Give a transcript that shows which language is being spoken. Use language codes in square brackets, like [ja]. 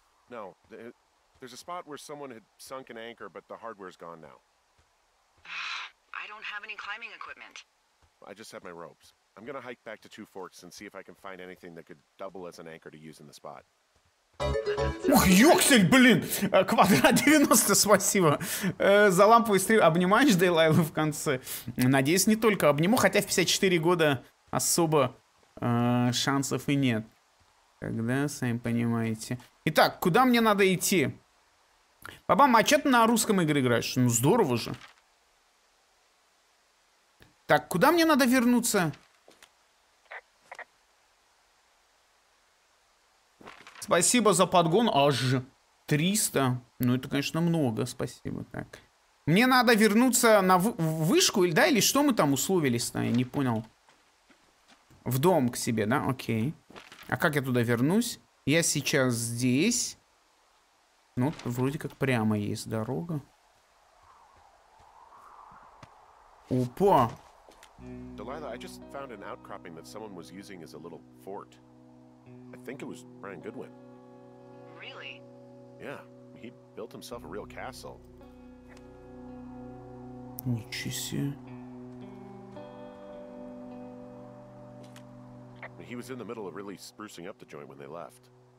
[en] No, there's a spot where someone had sunk an anchor, but the hardware's gone now. I don't have any climbing equipment. I just have my ropes. I'm gonna hike back to Two Forks and see if I can find anything that could double as an anchor to use in the spot. [ru] Ух, Йоксель, блин! Квадрат 90, спасибо. За ламповый стрим обнимаешь Дейлайла в конце? Надеюсь, не только обниму, хотя в 54 года особо шансов и нет. Тогда, сами понимаете. Итак, куда мне надо идти? Бабам, а чё ты на русском игре играешь? Ну, здорово же. Так, куда мне надо вернуться? Спасибо за подгон, аж 300. Ну, это, конечно, много, спасибо. Так. Мне надо вернуться на вышку, да, или что мы там условились-то, я не понял. В дом к себе, да, окей. А как я туда вернусь? Я сейчас здесь. Ну, вроде как прямо есть дорога. Опа! Делайла, я просто нашел [en] outcropping, [ru] что кто-то использовал как [en] little fort. I think it was Brian Goodwin. Really? Yeah, he built himself a real castle. [ru] Ничего себе. [en] he was in the middle of really sprucing up the joint when they left.